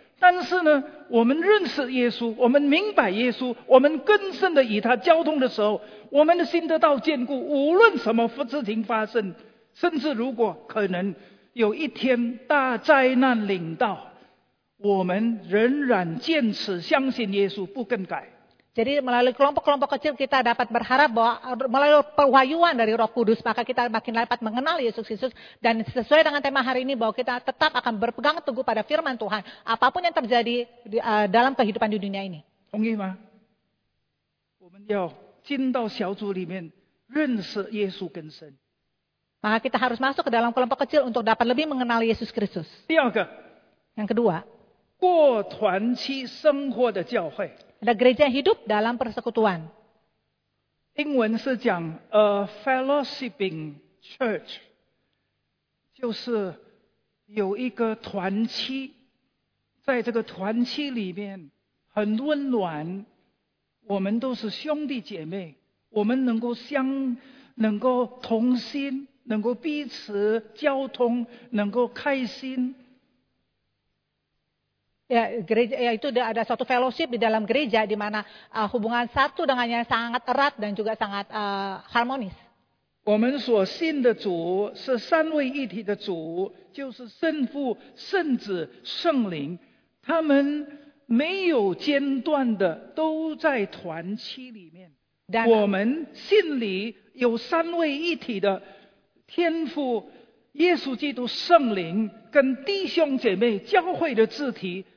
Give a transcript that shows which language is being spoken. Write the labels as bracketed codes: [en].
[zh] 但是呢，我们认识耶稣，我们明白耶稣，我们更深的与他交通的时候，我们的心得到坚固，无论什么事情发生，甚至如果可能有一天大灾难临到，我们仍然坚持相信耶稣，不更改。 [id] Jadi melalui kelompok-kelompok kecil kita dapat berharap bahwa melalui perwahyuan dari Roh Kudus maka kita makin dapat mengenal Yesus Kristus dan sesuai dengan tema hari ini bahwa kita tetap akan berpegang teguh pada firman Tuhan apapun yang terjadi di, dalam kehidupan di dunia ini. Ongi ma. Kita harus masuk ke dalam kelompok kecil untuk mengenal Yesus Kristus. Maka kita harus masuk ke dalam kelompok kecil untuk dapat lebih mengenal Yesus Kristus. Yang kedua, [zh] kuotuanqi shenghuo de jiaohui. [id] Ada gereja yang hidup dalam persekutuan. [zh] Inggris 是讲 [en] a fellowshipping church, [zh] 就是有一个团契，在这个团契里面很温暖，我们都是兄弟姐妹，我们能够相，能够同心，能够彼此交通，能够开心。 [id] Ya, gereja, ya itu ada suatu fellowship di dalam gereja di mana hubungan satu dengannya sangat erat dan juga sangat harmonis. [zh] 我们所信的主是三位一体的主，就是圣父、圣子、圣灵，他们没有间断的，都在团契里面。我们信里有三位一体的天父、耶稣基督、圣灵跟弟兄姐妹教会的肢体。